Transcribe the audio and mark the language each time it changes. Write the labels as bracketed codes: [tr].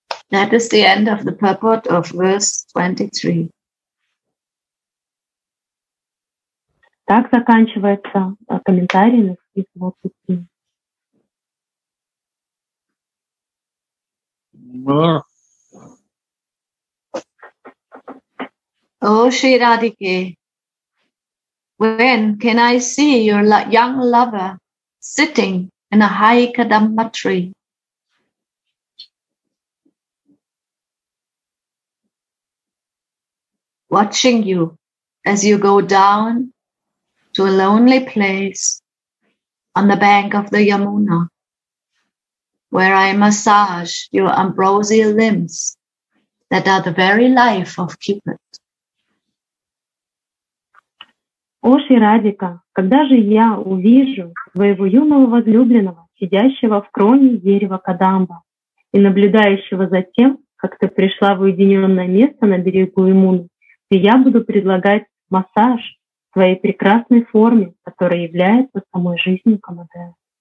[en] That is the end of the purport of verse 23. [ru] Так заканчивается комментарий на стих 23. [en] О, Шри Радике, when can I see your young lover sitting in a high kadamba tree? Watching you as you go down to a lonely place on the bank of the Yamuna, where I massage your ambrosial limbs that are the very life of Cupid. [ru] О, Ширадика, когда же я увижу твоего юного возлюбленного, сидящего в кроне дерева Кадамба и наблюдающего за тем, как ты пришла в уединенное место на берегу Имуны, и я буду предлагать массаж твоей прекрасной форме, которая является самой жизнью Камадея.